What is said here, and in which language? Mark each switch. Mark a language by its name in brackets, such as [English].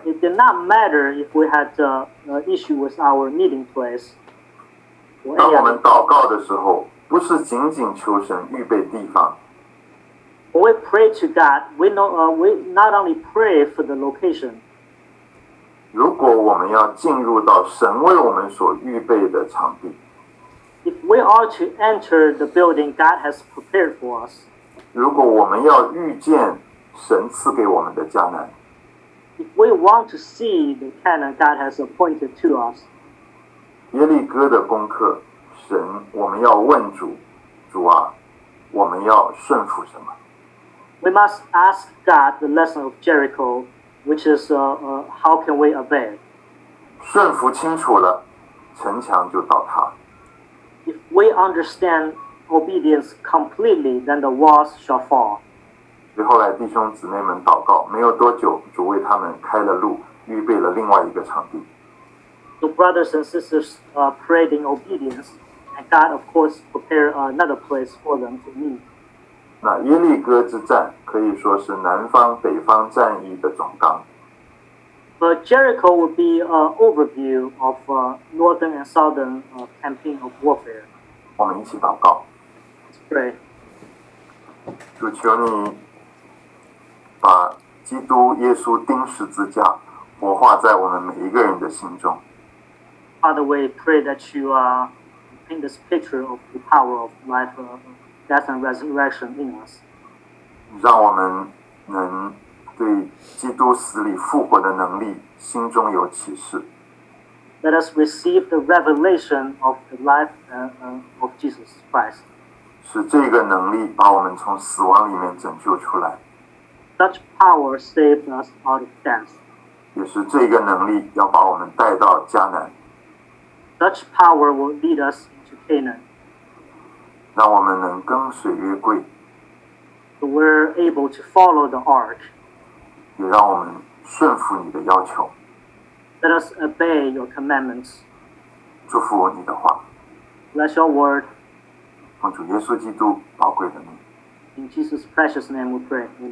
[English] It did not matter if we had issue with our meeting place. [Chinese] 当我们祷告的时候，不是仅仅求神预备地方。 [English] When we pray to God, we not only pray for the location. [Chinese] 如果我们要进入到神为我们所预备的场地， [English] if we are to enter the building God has prepared for us, [Chinese] 如果我们要遇见神赐给我们的迦南， [English] if we want to see the Canaan God has appointed to us, [Chinese] 耶利哥的功课，神，我们要问主，主啊，我们要顺服什么？ [English] We must ask God the lesson of Jericho, which is how can we obey? [Chinese] 顺服清楚了，城墙就倒塌。 [English] If we understand obedience completely, then the walls shall fall. [Chinese] 最后来弟兄姊妹们祷告，没有多久，主为他们开了路，预备了另外一个场地。 [English] The brothers and sisters prayed in obedience, and God, of course, prepared another place for them to meet. [Chinese] 那耶利哥之战可以说是南方北方战役的总纲。 [English] But Jericho would be an overview of northern and southern campaign of warfare. [Chinese] 我们一起祷告。 [English] Pray. [Chinese] 主求你把基督耶稣钉十字架活化在我们每一个人的心中。 [English] Father, we pray that you paint this picture of the power of life. Death and resurrection in us. [Chinese] 让我们能对基督死里复活的能力心中有启示。 [English] Let us receive the revelation of the life of Jesus Christ. [Chinese] 使这个能力把我们从死亡里面拯救出来。 [English] Such power saved us out of death. [Chinese] 也使这个能力要把我们带到迦南。 [English] Such power will lead us into Canaan. [Chinese] 让我们能跟随约柜。 [English] We're able to follow the ark. [Chinese] 也让我们顺服你的要求。 [English] Let us obey your commandments. [Chinese] 祝福你的话。 [English] Bless your word. [Chinese] 奉主耶稣基督宝贵的名。 [English] In Jesus' precious name we pray.